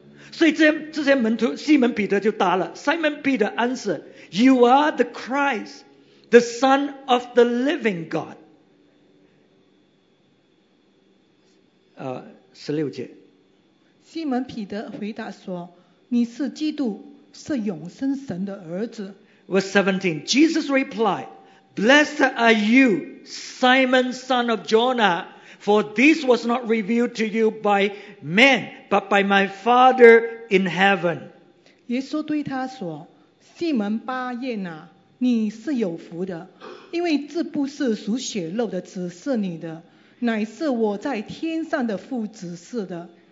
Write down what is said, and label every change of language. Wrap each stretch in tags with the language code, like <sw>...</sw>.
<zh>所以这些门徒，西门彼得就答了，</zh> <en>Simon Peter answered, You are the Christ, the Son of the living God.</en> <zh>16节，西门彼得回答说，你是基督，是永生神的儿子。</zh> <en>Verse 17, Jesus replied,Blessed are you, Simon, son of Jonah, For this was not revealed to you by men, but by my Father in heaven.</en> <zh>耶稣对他说，西门巴叶拿，你是有福的，因为这不是属血肉的指示你的，乃是我在天上的父指示的。</zh>